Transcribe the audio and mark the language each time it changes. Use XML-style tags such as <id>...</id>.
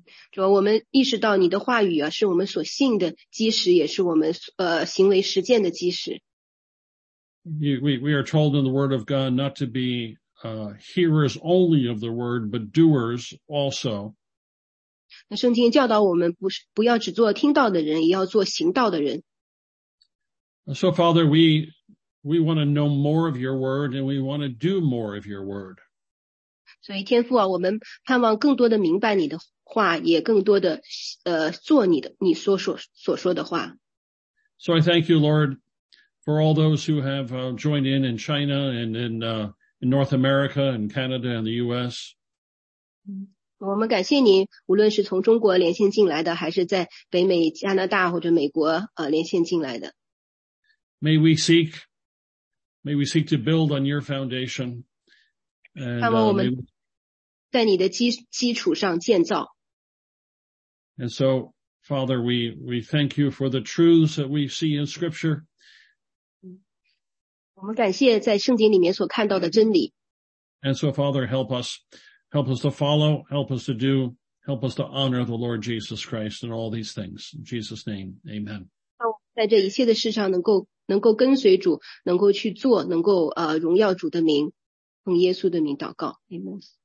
<zh>主啊，我们意识到你的话语啊，是我们所信的基石，也是我们行为实践的基石。</zh> <en>We are told in the word of God not to be hearers only of the word, but doers also.</en> <zh>那圣经教导我们不要只做听到的人，也要做行道的人。</zh> <en>So Father, we want to know more of your word and we want to do more of your word.</en> <zh>所以天父啊，我们盼望更多的明白你的话，也更多的做你所说的话。</zh> <en>So I thank you, Lord, for all those who have joined in China and in North America and Canada and the US.</en> <zh>我们感谢你，无论是从中国连线进来的，还是在北美、加拿大或者美国连线进来的。</zh> <en>May we seek to build on your foundation.</en> <zh>盼望我们在你的基础上建造。</zh> <en>And so, Father, we thank you for the truths that we see in scripture.</en> <zh>我们感谢在圣经里面所看到的真理。</zh> <en>And so, Father, help us to follow, help us to do, help us to honor the Lord Jesus Christ in all these things. In Jesus' name, amen.</en> <zh>在这一切的事上能够跟随主，能够去做，能够荣耀主的名，奉耶稣的名祷告。 Amen.</zh>